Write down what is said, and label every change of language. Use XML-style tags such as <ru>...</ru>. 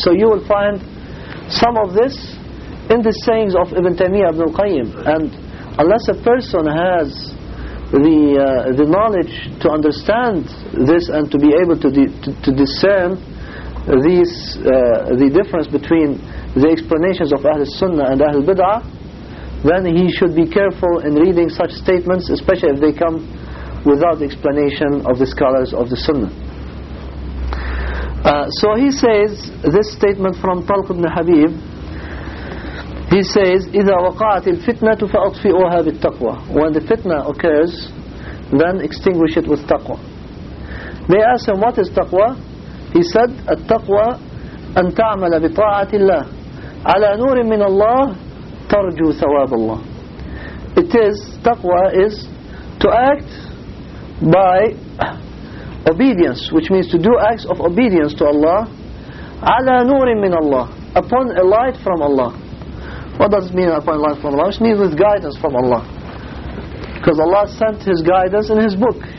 <en>So you will find some of this in the sayings of Ibn Taymiyyah Ibn al-Qayyim, and unless a person has the knowledge to understand this and to be able to discern the difference between the explanations of Ahl Sunnah and Ahl Bid'ah, then he should be careful in reading such statements, especially if they come without the explanation of the scholars of the Sunnah. So he says this statement from Talq ibn Habib. He says,</en> <ar>إِذَا وَقَعَتِ الْفِتْنَةُ فَأَطْفِئُهَا بِالتَّقْوَى.</ar> <en>When the fitna occurs, then extinguish it with taqwa. They asked him, what is taqwa? He said,</en> <ar>التَّقْوَى أَن تَعْمَلَ بِطَاعَةِ اللَّهِ عَلَى نُورٍ مِّنَ اللَّهِ تَرْجُو ثَوَابَ اللَّهِ.</ar> <en>It is, taqwa is to act by obedience, which means to do acts of obedience to Allah,</en> <ar>عَلَى نُورٍ مِّنَ اللَّهِ,</ar> <en>upon a light from Allah. What does it mean upon light from Allah? It means with guidance from Allah, because Allah sent His guidance in His book.</en>